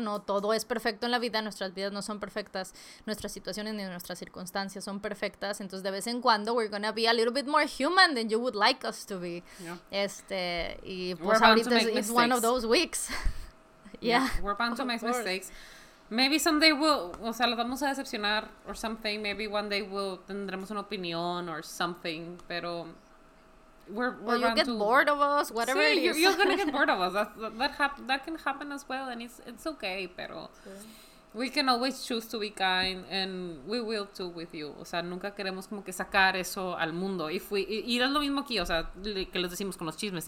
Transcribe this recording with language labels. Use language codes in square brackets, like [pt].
[es] No todo es perfecto en la vida, nuestras vidas no son perfectas, nuestras situaciones ni nuestras circunstancias son perfectas, entonces de vez en cuando [en] we're gonna be a little bit more human than you would like us to be. [es] Yeah. Y pues ahorita [en] it's one of those weeks. Yeah. Yeah. We're bound to make mistakes. Maybe someday [es] los vamos a decepcionar [en] or something. Maybe one day [es] tendremos una opinión [en] or something, pero we're you'll get bored of us, whatever. [es] Sí, [en] it is. You're gonna get bored of us. That can happen as well, and it's okay, pero sí. We can always choose to be kind, and we will too with you. [es] O sea, nunca queremos como que sacar eso al mundo. Y es lo mismo aquí, o sea, que les decimos con los chismes.